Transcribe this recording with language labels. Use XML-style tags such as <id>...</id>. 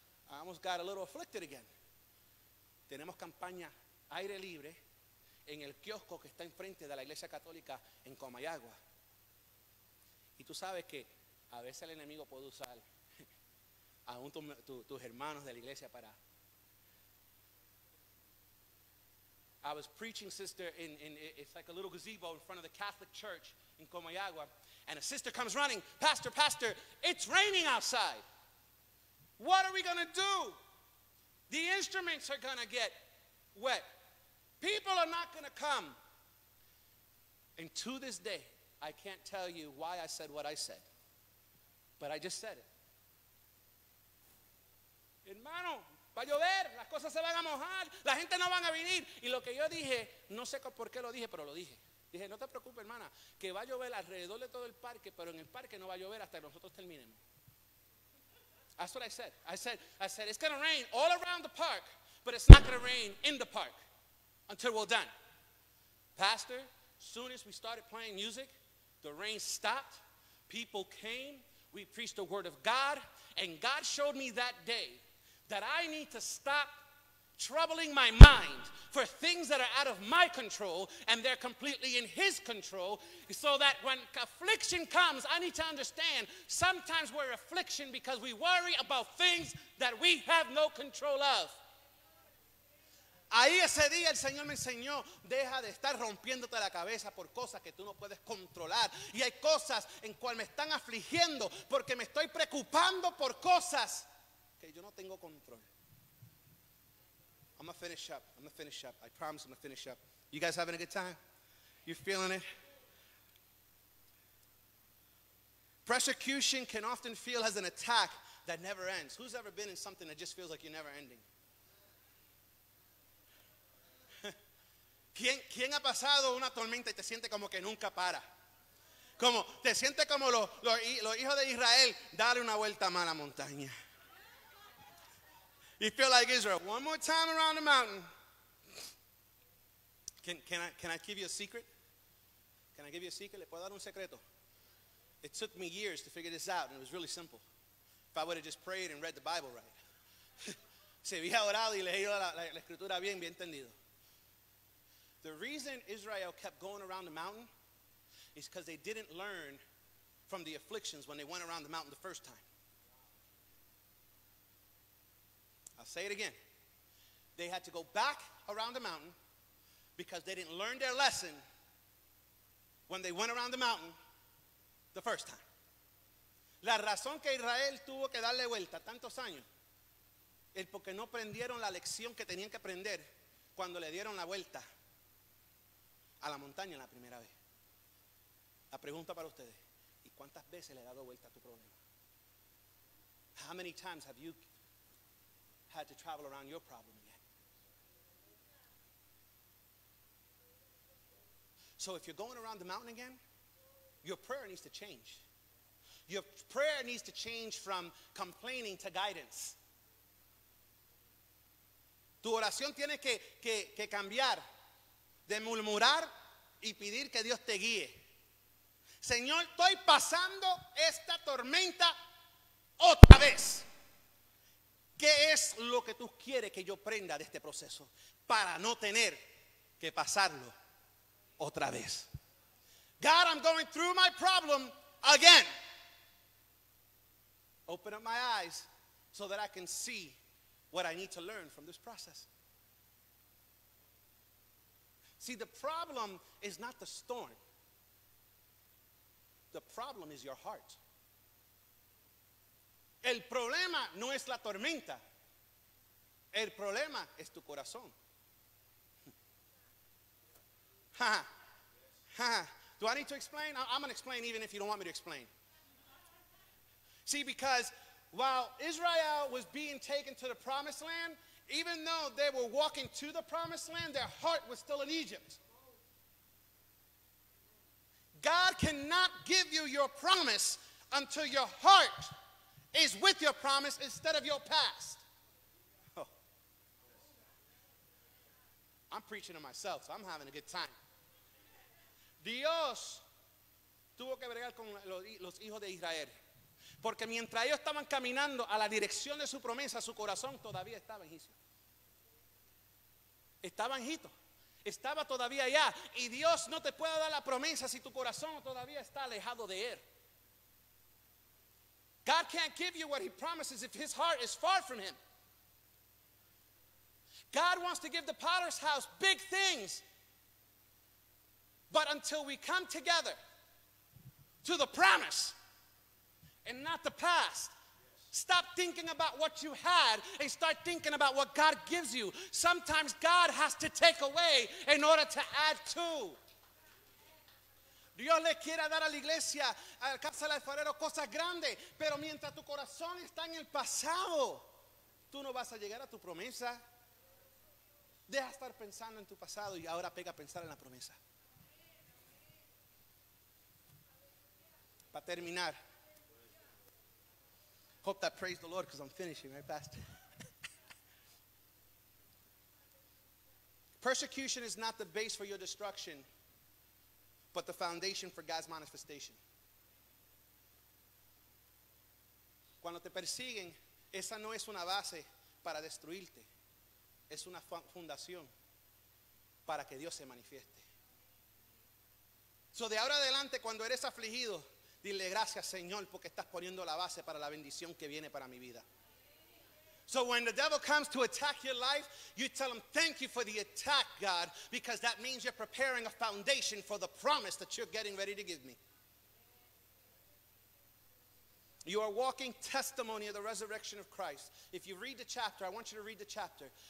<en>I almost got a little afflicted again.</en> <es>Tenemos campaña aire libre en el kiosco que está enfrente de la iglesia católica en Comayagua. Y tú sabes que a veces el enemigo puede usar a tus hermanos de la iglesia para.</es> <en>I was preaching, sister, in it's like a little gazebo in front of the Catholic Church in Comayagua, and a sister comes running, pastor, it's raining outside. What are we going to do? The instruments are going to get wet. People are not going to come. And to this day, I can't tell you why I said what I said, but I just said it.</en> <es>Hermano, va a llover, las cosas se van a mojar, la gente no van a venir. Y lo que yo dije, no sé por qué lo dije, pero lo dije. Dije, no te preocupes, hermana, que va a llover alrededor de todo el parque, pero en el parque no va a llover hasta que nosotros terminemos.</es> <en>That's what I said. I said, it's going to rain all around the park, but it's not going to rain in the park until we're done. Pastor, soon as we started playing music, the rain stopped. People came. We preached the word of God, and God showed me that day that I need to stop troubling my mind for things that are out of my control and they're completely in his control, so that when affliction comes, I need to understand sometimes we're affliction because we worry about things that we have no control of.</en> <es>Ahí ese día el Señor me enseñó, deja de estar rompiéndote la cabeza por cosas que tú no puedes controlar. Y hay cosas en cual me están afligiendo porque me estoy preocupando por cosas que yo no tengo control.</es> <en>I'm gonna finish up. I promise I'm gonna finish up. You guys having a good time? You feeling it? Persecution can often feel as an attack that never ends. Who's ever been in something that just feels like you're never ending?</en> <es>¿Quién ha pasado una tormenta y te siente como que nunca para? Como te siente como los hijos de Israel, dale una vuelta más a la montaña.</es> <en>You feel like Israel. One more time around the mountain. Can I give you a secret? Can I give you a secret?</en> <es>¿Le puedo dar un secreto?</es> <en>It took me years to figure this out, and it was really simple. If I would have just prayed and read the Bible right.</en> <es>Se había orado y leído la escritura bien, bien entendido.</es> <en>The reason Israel kept going around the mountain is because they didn't learn from the afflictions when they went around the mountain the first time. I'll say it again. They had to go back around the mountain because they didn't learn their lesson when they went around the mountain the first time.</en> <es>La razón que Israel tuvo que darle vuelta tantos años es porque no aprendieron la lección que tenían que aprender cuando le dieron la vuelta a la montaña la primera vez. La pregunta para ustedes, ¿y cuántas veces le ha dado vuelta a tu problema?</es> <en>How many times have you had to travel around your problem yet? So if you're going around the mountain again, your prayer needs to change. Your prayer needs to change from complaining to guidance.</en> <es>Tu oración tiene que cambiar de murmurar y pedir que Dios te guíe. Señor, estoy pasando esta tormenta otra vez. ¿Qué es lo que tú quieres que yo aprenda de este proceso para no tener que pasarlo otra vez?</es> <en>God, I'm going through my problem again. Open up my eyes so that I can see what I need to learn from this process. See, the problem is not the storm. The problem is your heart.</en> <es>El problema no es la tormenta. El problema es tu corazón.</es> <en>Ha. Do I need to explain? I'm going to explain even if you don't want me to explain. See, because while Israel was being taken to the promised land, even though they were walking to the promised land, their heart was still in Egypt. God cannot give you your promise until your heart is with your promise instead of your past. Oh. I'm preaching to myself, so I'm having a good time.</en> <es>Dios tuvo que bregar con los hijos de Israel. Porque mientras ellos estaban caminando a la dirección de su promesa, su corazón todavía estaba en Egipto. Estaba en Egipto. Estaba todavía allá. Y Dios no te puede dar la promesa si tu corazón todavía está alejado de él.</es> <en>God can't give you what he promises if his heart is far from him. God wants to give the potter's house big things. But until we come together to the promise and not the past. Stop thinking about what you had and start thinking about what God gives you. Sometimes God has to take away in order to add to.</en> <es>Dios le quiere dar a la iglesia, a la casa del alfarero, cosas grandes. Pero mientras tu corazón está en el pasado, tú no vas a llegar a tu promesa. Deja estar pensando en tu pasado y ahora pega a pensar en la promesa. Para terminar.</es> <en>Hope that praise the Lord because I'm finishing, right, Pastor? Persecution is not the base for your destruction, but the foundation for God's manifestation.</en> <es>Cuando te persiguen, esa no es una base para destruirte. Es una fundación para que Dios se manifieste. So de ahora adelante, cuando eres afligido, dile gracias, Señor, porque estás poniendo la base para la bendición que viene para mi vida.</es> <en>So when the devil comes to attack your life, you tell him, thank you for the attack, God, because that means you're preparing a foundation for the promise that you're getting ready to give me. You are walking testimony of the resurrection of Christ. If you read the chapter, I want you to read the chapter.</en>